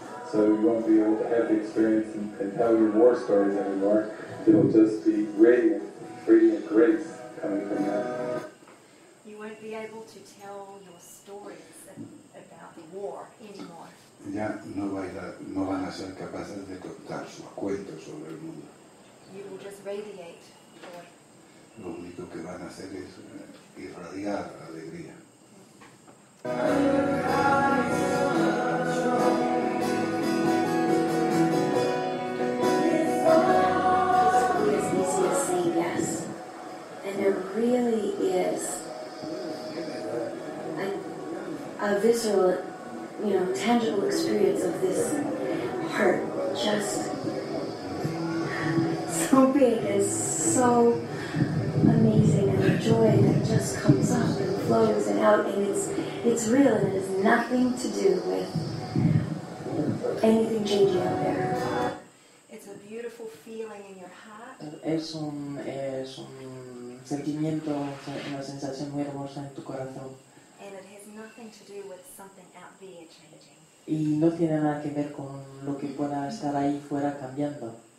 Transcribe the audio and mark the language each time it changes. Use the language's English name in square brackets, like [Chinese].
[English] So you won't be able to have the experience and tell your war stories anymore. It'll just be radiant, radiant grace coming from that. You won't be able to tell your stories about the war anymore. [Spanish] Ya no van a ser capaces de contar sus cuentos sobre el mundo. [English] You will just radiate joy. [Spanish] Lo único que van a hacer es irradiar alegría. [English] Yes, and there really is a visceral, you know, tangible experience of this heart just so big and so amazing, and the joy that just comes up and flows and out, and it's real, and it has nothing to do with anything changing out there. It's a beautiful feeling in your heart. [Spanish] Es un sentimiento, una sensación muy hermosa en tu corazón. [English] And it has nothing to do with something out there changing. [Spanish] Y no tiene nada que ver con lo que pueda estar ahí fuera cambiando.